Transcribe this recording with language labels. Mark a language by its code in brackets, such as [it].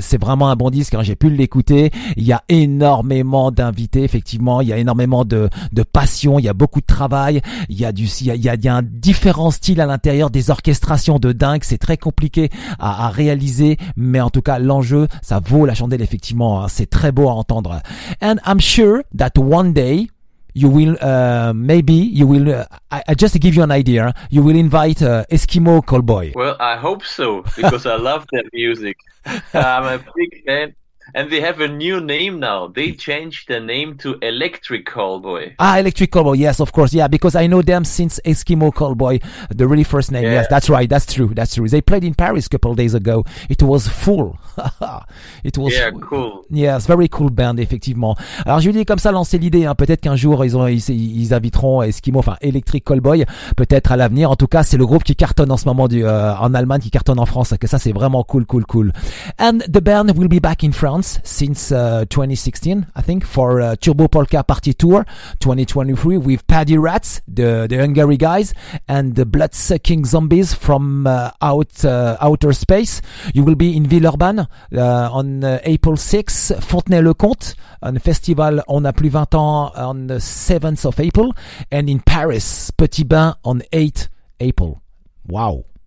[fr] C'est vraiment un bon disque, hein, j'ai pu l'écouter. Il y a énormément d'invités, effectivement, il y a énormément de passion, il y a beaucoup de travail, il y a différents styles à l'intérieur, des orchestrations de dingue. C'est très compliqué à réaliser, mais en tout cas l'enjeu, ça vaut la chandelle, effectivement, hein, c'est très beau à entendre. [en] And I'm sure that one day you will I just give you an idea, you will invite Eskimo Callboy. Well, I hope so, because I love their music. I'm a big fan. And they have a new name now. They changed the name to Electric Callboy. Ah, Electric Callboy. Yes, of course. Yeah, because I know them since Eskimo Callboy, the really first name. Yeah. Yes, that's right. That's true. That's true. They played in Paris a couple of days ago. It was full. It was cool. Yes, very cool band, effectivement. [fr] Alors, je lui dis comme ça, lancer l'idée. Hein. Peut-être qu'un jour, ils inviteront Eskimo, enfin, Electric Callboy, peut-être à l'avenir. En tout cas, c'est le groupe qui cartonne en ce moment en Allemagne, qui cartonne en France. Que ça, c'est vraiment cool, cool, cool. [en] And the band will be back in France since 2016, I think, for Turbo Polka Party Tour 2023 with Paddy Rats, the Hungary guys, and the Blood-Sucking Zombies from Outer Space. You will be in Villeurbanne on April 6th, Fontenay-le-Comte, un festival on a plus 20 ans on the 7th of April, and in Paris, Petit Bain on 8th April. Wow.